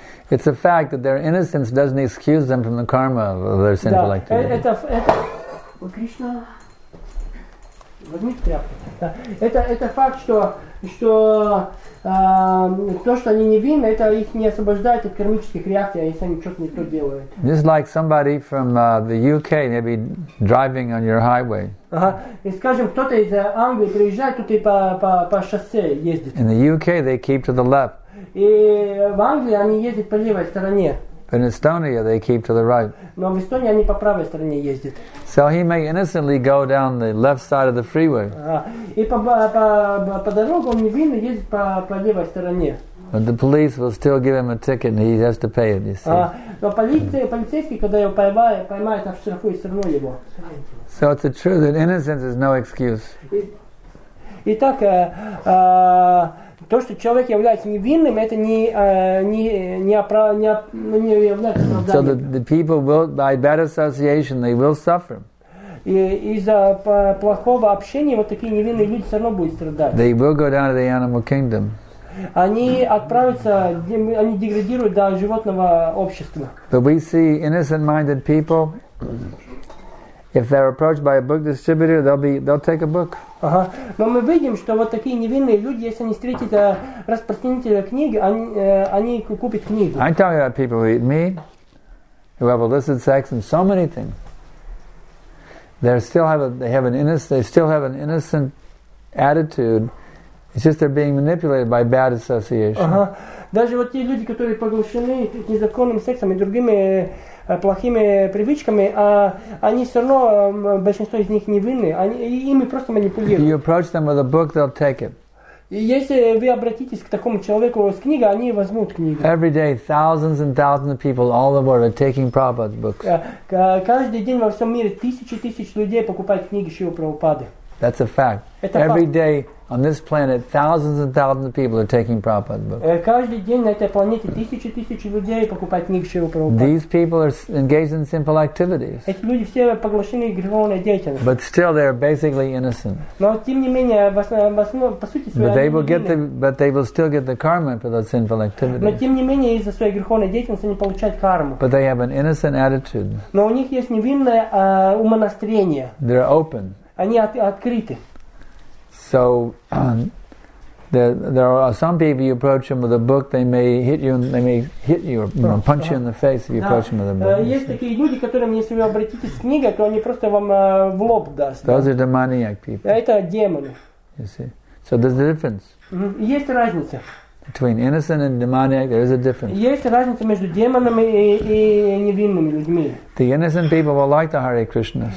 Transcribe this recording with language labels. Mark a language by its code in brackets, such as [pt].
[en] It's a fact that their innocence doesn't excuse them from the karma of their sinful activity. [ru] Да, это Кришна. Возьмите тряпку. Это факт, что то, что они невинны, это их не освобождает от кармических реакций, если они что-то не то делают. [en] Just like somebody from the UK maybe driving on your highway. [ru] И скажем, кто-то из Англии приезжает, тут и по шоссе ездит. [en] In the UK they keep to the left. [ru] И в Англии они ездят по левой стороне. [en] But in Estonia they keep to the right. [ru] Но в Эстонии они по правой стороне ездят. [en] So he may innocently go down the left side of the freeway. [ru] И по дороге он невинно ездит по левой стороне. [en] But the police will still give him a ticket and he has to pay it, you see. [ru] Но полицейский, когда его поймает, оштрафует все равно его. [en] So it's the truth that innocence is no excuse. [ru] Итак, то, что человек является невинным, это не является оправданием. [en] So the people will, by bad association, they will suffer. [ru] И из-за плохого общения вот такие невинные люди все равно будут страдать. [en] They will go down to the animal kingdom. [ru] Они отправятся, они деградируют до животного общества. [en] But we see innocent-minded people. If they're approached by a book distributor, they'll take a book. [ru] Ага. Но мы видим, что вот такие невинные люди, если они встретят распространителя книги, они купят книгу. [en] I'm talking about people who eat meat, who have illicit sex, and so many things. They still have an innocent attitude. It's just they're being manipulated by bad association. [ru] Ага. Даже вот те люди, которые поглощены незаконным сексом и другими плохими привычками, а они все равно, большинство из них невинны, ими просто манипулируют. [en] If you approach them with a book, they'll take it. [ru] И если вы обратитесь к такому человеку с книгой, они возьмут книгу. [en] Every day, thousands and thousands of people all over the world are taking Prabhupada's books. [ru] Каждый день во всем мире тысячи и тысячи людей покупают книги Шрилы Прабхупады. [en] That's a fact. Every day on this planet, thousands and thousands of people are taking Prabhupada's books. [ru] Каждый день на этой планете тысячи и тысячи людей покупают книги Шрилы Прабхупады. [en] These people are engaged in simple activities. [ru] Эти люди все поглощены греховной деятельностью. [en] But still, they are basically innocent. [ru] Но тем не менее, в основном, по сути, своей. [en] But they will still get the karma for those sinful activities. [ru] Но тем не менее, из-за своей греховной деятельности они получают карму. [en] But they have an innocent attitude. [ru] Но у них есть невинное умонастроение. [en] They're open. [ru] Они открыты. [en] So there are some people, you approach them with a book, they may hit you, punch you in the face if you approach them with a book. [ru] Есть такие люди, которым если вы обратитесь к книге, то они просто вам в лоб даст. [en] Those are demoniac people. [ru] Это демоны. [en] You see. So there's a difference. [ru] Есть разница. [en] Between innocent and demoniac, there is a difference. [ru] Есть разница между демонами и невинными людьми. [en] The innocent people will like the Hare Krishna.